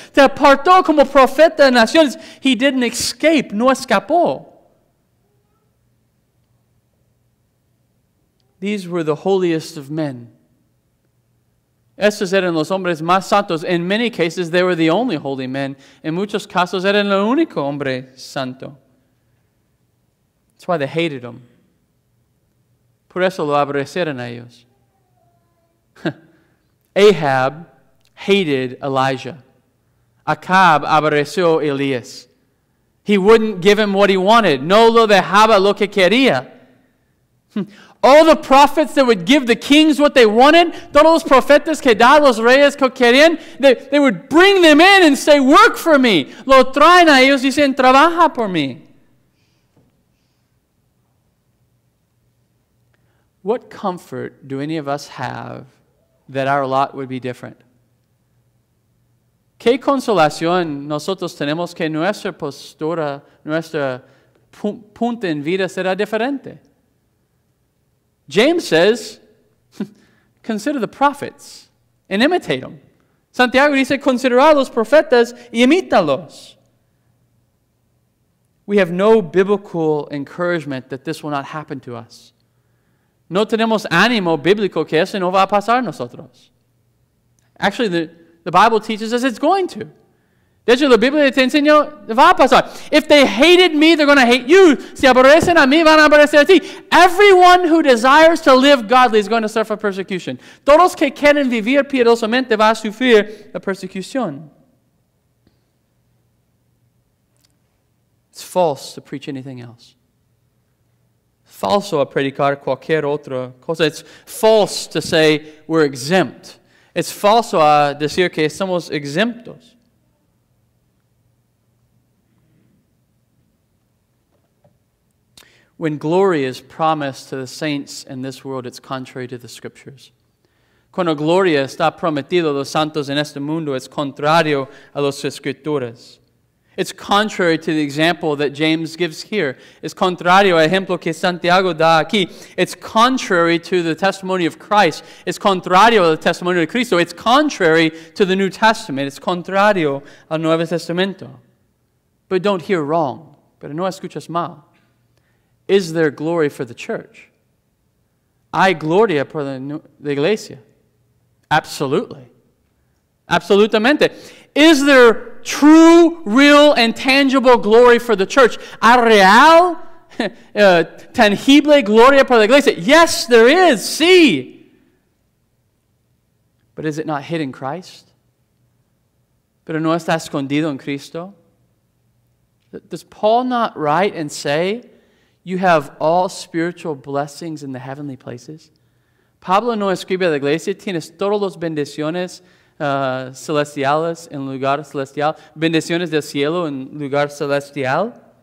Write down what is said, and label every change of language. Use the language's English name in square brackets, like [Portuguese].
[Spanish] Te apartó como profeta de naciones. [English] He didn't escape, [Spanish] no escapó. [English] These were the holiest of men. [Spanish] Estos eran los hombres más santos. [English] In many cases, they were the only holy men. En muchos casos, eran el único hombre santo. That's why they hated him. [Spanish] Por eso lo aborrecieron a ellos. [English] Ahab hated Elijah. [Spanish] Acab aborreció Elías. [English] He wouldn't give him what he wanted. [Spanish] No lo dejaba lo que quería. [English] All the prophets that would give the kings what they wanted, [Spanish] todos los profetas que dan los reyes que querían, [English] they would bring them in and say, work for me. [Spanish] Lo traen a ellos y dicen, trabaja por mí. [English] What comfort do any of us have that our lot would be different? [Spanish] ¿Qué consolación nosotros tenemos que nuestra postura, nuestra punta en vida será diferente? [English] James says, consider the prophets and imitate them. [Spanish] Santiago dice, considera los profetas y imítalos. [English] We have no biblical encouragement that this will not happen to us. [Spanish] No tenemos ánimo bíblico que eso no va a pasar a nosotros. [English] Actually, the Bible teaches us it's going to. [Spanish] De hecho, la Biblia te enseña, va a pasar. [English] If they hated me, they're going to hate you. [Spanish] Si aborrecen a mí, van a aborrecer a ti. [English] Everyone who desires to live godly is going to suffer persecution. [Spanish] Todos que quieren vivir piedosamente van a sufrir la persecución. [English] It's false to preach anything else. It's [Spanish] falso a predicar cualquier otra cosa. [English] It's false to say we're exempt. It's [Spanish] falso a decir que somos exemptos. [English] When glory is promised to the saints in this world, it's contrary to the scriptures. [Spanish] Cuando gloria está prometida a los santos en este mundo, es contrario a las escrituras. [English] It's contrary to the example that James gives here. [Spanish] It's contrario al ejemplo que Santiago da aquí. [English] It's contrary to the testimony of Christ. [Spanish] It's contrario al testimonio de Cristo. [English] It's contrary to the New Testament. [Spanish] It's contrario al Nuevo Testamento. [English] But don't hear wrong. [Spanish] Pero no escuchas mal. [English] Is there glory for the church? [Spanish] Hay gloria por la iglesia. Absolutely. Absolutamente. [English] Is there true, real, and tangible glory for the church? [Spanish] ¿A real, tangible gloria por la iglesia? [English] Yes, there is. See. But is it not hid in Christ? [Spanish] ¿Pero no está escondido en Cristo? [English] Does Paul not write and say, you have all spiritual blessings in the heavenly places? [Spanish] Pablo no escribe a la iglesia, tienes todos los bendiciones celestiales en lugar celestial, bendiciones del cielo en lugar celestial.